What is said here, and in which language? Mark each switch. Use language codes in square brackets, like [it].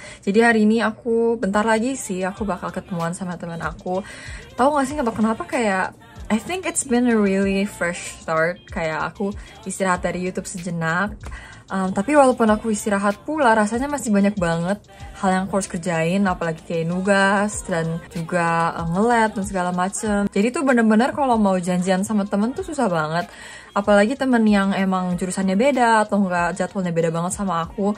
[id] Jadi hari ini aku bentar lagi sih aku bakal ketemuan sama teman aku. Tahu nggak sih nggak tahu kenapa kayak [en] I think it's been a really fresh start. [id] Kayak aku istirahat dari YouTube sejenak. Tapi walaupun aku istirahat pula, rasanya masih banyak banget hal yang aku harus kerjain, apalagi kayak nugas dan juga ngeliat dan segala macem. Jadi tuh benar-benar kalau mau janjian sama temen tuh susah banget. Apalagi temen yang emang jurusannya beda atau enggak jadwalnya beda banget sama aku.